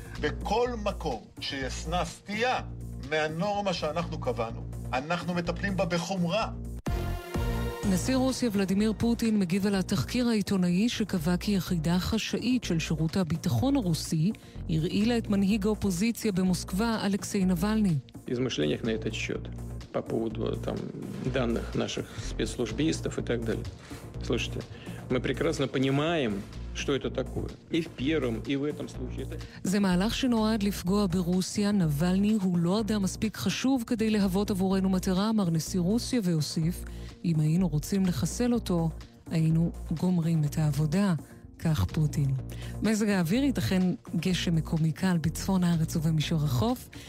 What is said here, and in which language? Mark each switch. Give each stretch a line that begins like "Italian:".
Hebrew: בכל מקום שישנה סטייה מהנורמה שאנחנו קבענו, אנחנו מטפלים בה בחומרה. נשיא רוסיה ולדימיר פוטין מגיב על התחקיר העיתונאי שקבע כי יחידה חשאית של שירות הביטחון הרוסי הרעילה את מנהיג האופוזיציה במוסקבה אלכסיי נבלני.
Russian: Измышления на этот счёт по поводу там данных наших спецслужбистов и так далее. Слушайте, мы прекрасно понимаем, что это такое. И в первом, и в этом случае это
Hebrew: זה מהלך שנועד לפגוע ברוסיה. נבלני הוא לא אדם מספיק חשוב כדי להוות עבורנו מטרה, אמר נשיא רוסיה והוסיף, אם היינו רוצים לחסל אותו, היינו גומרים את העבודה, כך פוטין. מזג האוויר ייתכן גשם מקומי קל בצפון הארץ ובמישור החוף.